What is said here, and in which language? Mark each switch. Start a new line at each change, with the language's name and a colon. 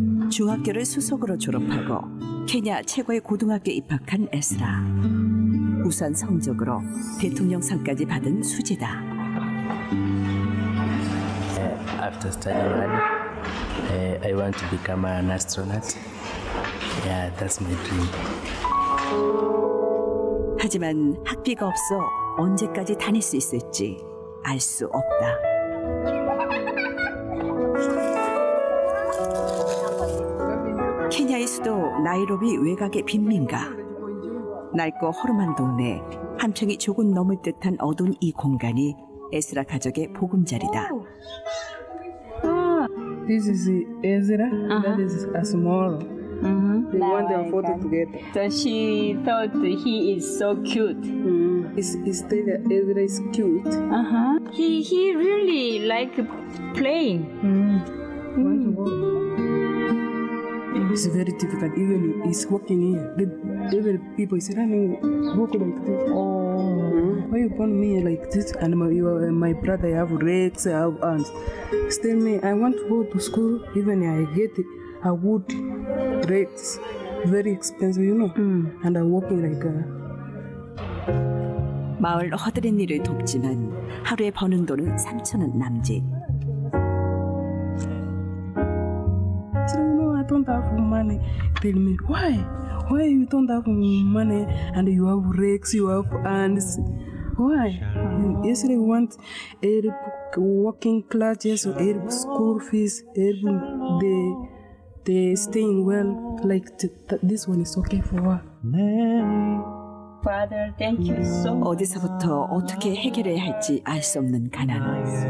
Korean: 중학교를 수석으로 졸업하고 케냐 최고의 고등학교에 입학한 에스라. 우수한 성적으로 대통령상까지 받은 수재다.
English: After studying hard, I want to become an astronaut. Yeah, that's my dream.
Korean: 하지만 학비가 없어 언제까지 다닐 수 있을지 알 수 없다. 케냐의 수도 나이로비 외곽의 빈민가. 낡고 허름한 동네, 한 평이 조금 넘을 듯한 어두운 이 공간이 에스라 가족의 보금자리다.
English: This is Ezra. That is a small. They want their photo together. So she thought he is so cute. He said that Ezra is cute. He really like playing. It's very difficult. Even he's walking here. Even people is running, walk like this. Why you born me like this? And my brother, I have legs, I have arms. Still me, I want to go to school. Even I get a wood legs, very expensive, you know. And I'm walking like a.
Korean: 마을 허드렛 일을 돕지만 하루에 버는 돈은 3,000원 남짓.
English: Don't have money. Tell me why you don't have money and you have rakes, you have hands. Why? Yesterday we want every working classes, every school fees, every the staying well like this one is okay for her. Father, thank you so much.
Korean: 어디서부터 어떻게 해결해야 할지 알 수 없는 가난.